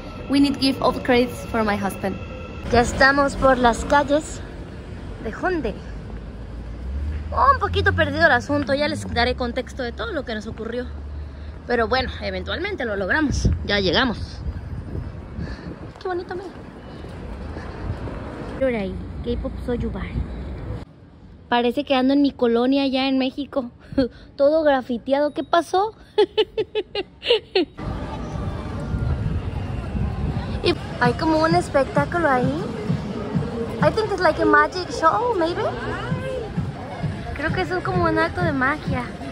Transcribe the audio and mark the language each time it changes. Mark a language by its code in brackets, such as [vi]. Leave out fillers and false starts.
[en] We need to give all the credits for my husband. [es] Ya estamos por las calles de Hyundai. Oh, un poquito perdido el asunto, ya les daré contexto de todo lo que nos ocurrió. Pero bueno, eventualmente lo logramos. Ya llegamos. Qué bonito, mira. K-pop Soju Bar. Parece que ando en mi colonia ya en México. Todo grafiteado. ¿Qué pasó? Y hay como un espectáculo ahí. [en] I think it's like a magic show, maybe. [es] Creo que es como un acto de magia.